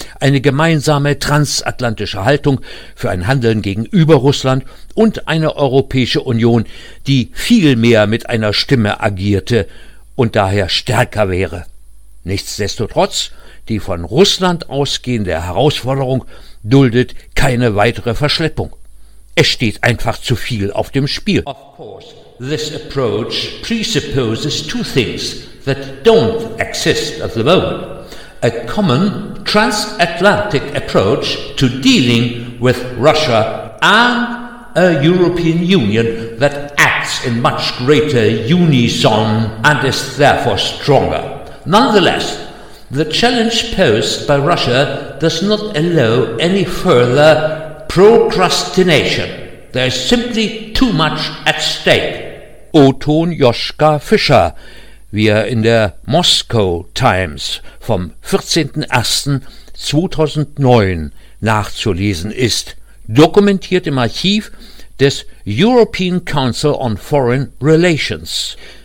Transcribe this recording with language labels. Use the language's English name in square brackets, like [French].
[German] Eine gemeinsame transatlantische Haltung für ein Handeln gegenüber Russland und eine Europäische Union, die viel mehr mit einer Stimme agierte und daher stärker wäre. Nichtsdestotrotz, die von Russland ausgehende Herausforderung duldet keine weitere Verschleppung. Es steht einfach zu viel auf dem Spiel. [English] Of course, this approach presupposes two things that don't exist at the moment. A common transatlantic approach to dealing with Russia and a European Union that acts in much greater unison and is therefore stronger. Nonetheless, the challenge posed by Russia does not allow any further procrastination. There is simply too much at stake. [German] O-Ton Joschka Fischer, wie er in der Moscow Times vom 14.01.2009 nachzulesen ist, dokumentiert im Archiv des European Council on Foreign Relations.